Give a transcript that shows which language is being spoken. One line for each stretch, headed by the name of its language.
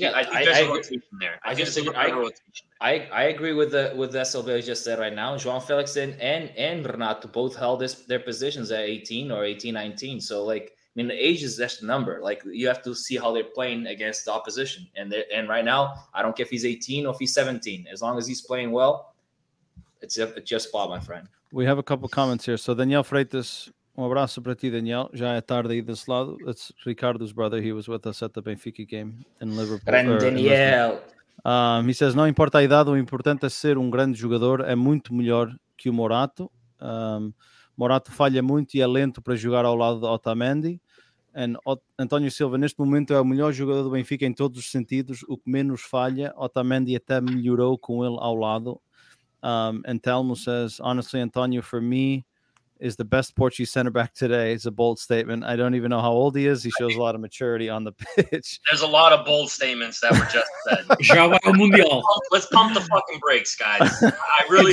English: I agree with the SLB just said right now. João Félix and Renato both held their positions at 18 or 18, 19. So, like, I mean, the age is just a number. Like, you have to see how they're playing against the opposition. And right now, I don't care if he's 18 or if he's 17. As long as he's playing well, it's just Bob, my friend. We have a couple comments here.
Portuguese: So, Daniel Freitas, um abraço para ti, Daniel. Já é tarde aí desse lado.
English: It's Ricardo's brother. He was with us at the Benfica game in Liverpool.
Portuguese: Grande Daniel.
English: He says,
Portuguese: não importa a idade, o importante é ser um grande jogador. É muito melhor que o Morato. Morato falha muito e é lento para jogar ao lado de Otamendi. And António Silva, neste momento é o melhor jogador do Benfica em todos os sentidos. O que menos falha, Otamendi até melhorou com ele ao lado.
English: And Telmo says, honestly, António, for me, is the best Portuguese center back today. It's a bold statement. I don't even know how old he is. He shows a lot of maturity on the pitch. There's a lot of bold statements that were just said. Let's pump the fucking brakes, guys. I really